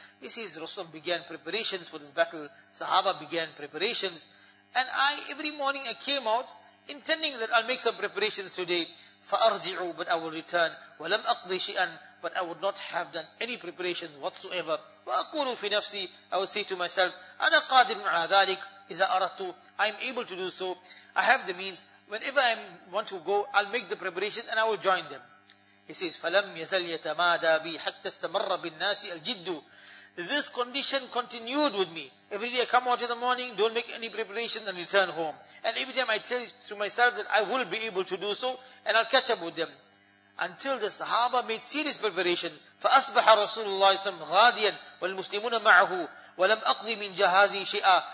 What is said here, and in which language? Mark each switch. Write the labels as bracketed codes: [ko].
[en] He says, Rasulullah began preparations for this battle. Sahaba began preparations. And I, every morning I came out, intending that I'll make some preparations today. [ar] فَأَرْجِعُ. [en] But I will return. [ar] وَلَمْ أَقْضِ شِئًا. [en] But I would not have done any preparations whatsoever. [ar] وَأَقُولُ فِي نَفْسِي. [en] I would say to myself, [ar] أَنَا قَادِرٌ عَلَى ذَلِكَ إِذَا أَرَدْتُ. [en] I am able to do so. I have the means. Whenever I want to go, I'll make the preparations and I will join them. He says, [ar] فَلَمْ يَزَلْ يَتَمَادَى بِي حَتَّى اسْتَمَرَّ بِالنَّاسِ الْجِدُّ. [en] This condition continued with me. Every day I come out in the morning, don't make any preparations and return home. And every time I tell to myself that I will be able to do so, and I'll catch up with them. Until the Sahaba made serious preparation. [ar] فَأَصْبَحَ رَسُولُ اللَّهِ صَلَّى اللَّهُ عَلَيْهِ وَسَلَّمْ غَادِيًا وَالْمُسْلِمُونَ مَعَهُ وَلَمْ أَقْضِ مِنْ جَهَازِي شَيْئًا.